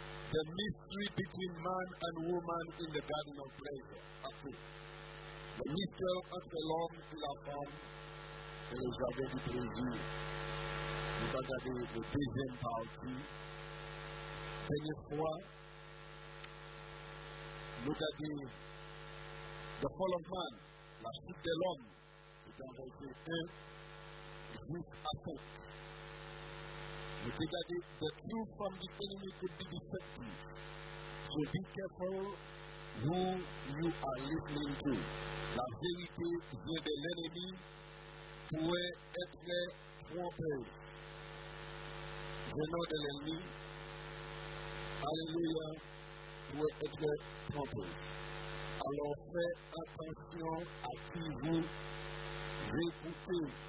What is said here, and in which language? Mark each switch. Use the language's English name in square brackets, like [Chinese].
[English] The mystery between man and woman in the garden of pleasure. Okay. [French] Le mystère entre l'homme et la femme et le jardin du plaisir. Nous allons regarder la deuxième partie. Dernière fois, nous avons dit The Fall of Man. La chute de l'homme est en verset 1 jusqu'à 5. Mais regardez, [English] the truth from the enemy could be deceptive. So be careful who you are listening to. [French] La vérité vient de l'ennemi, pourrait être trompeuse. Venant de l'ennemi, alléluia, pourrait être trompeuse. Alors, faites attention à qui vous écoutez.